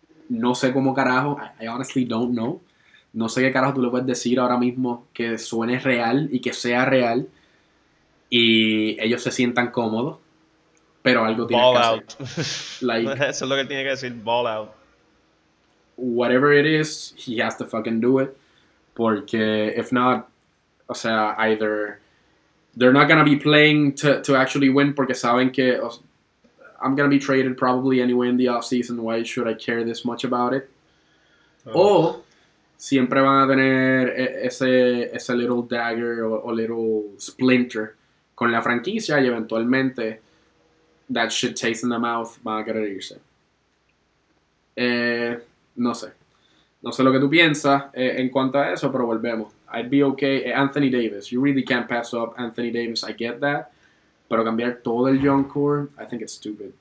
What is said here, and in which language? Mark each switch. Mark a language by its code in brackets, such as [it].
[es] No sé cómo carajo, [en] I honestly don't know, [es] no sé qué carajo tú le puedes decir ahora mismo que suene real y que sea real y ellos se sientan cómodos, pero algo tiene que hacer. [en] Ball out. [es] Like, eso es lo que tiene que decir, ball out. [en] Whatever it is, he has to fucking do it. Porque if not, [es] o sea, [en] either they're not gonna be playing to actually win, [es] porque saben que [en] I'm gonna be traded probably anyway in the offseason, why should I care this much about it? [es] Oh. O siempre van a tener ese little dagger o little splinter con la franquicia, y eventualmente [en] that shit taste in the mouth, [es] van a querer irse. No sé lo que tú piensas en cuanto a eso, pero volvemos. [en] I'd be okay. Anthony Davis, you really can't pass up Anthony Davis, I get that, [es] pero cambiar todo el [en] young core, I think it's stupid.